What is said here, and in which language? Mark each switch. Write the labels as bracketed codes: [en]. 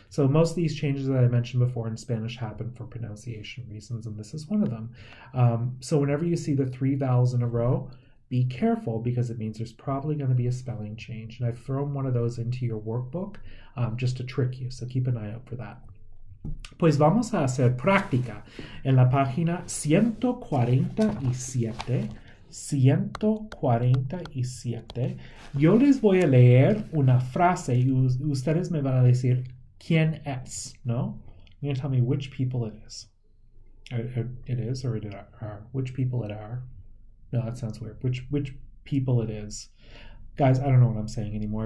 [en] So most of these changes that I mentioned before in Spanish happen for pronunciation reasons, and this is one of them. So whenever you see the three vowels in a row, be careful, because it means there's probably going to be a spelling change. And I've thrown one of those into your workbook just to trick you, so keep an eye out for that. [es] Pues vamos a hacer práctica en la página 147. 147. Yo les voy a leer una frase y ustedes me van a decir quién es, ¿no? [en] You're going to tell me which people it is. It is or it are. Which people it are. No, that sounds weird. Which people it is. Guys, I don't know what I'm saying anymore.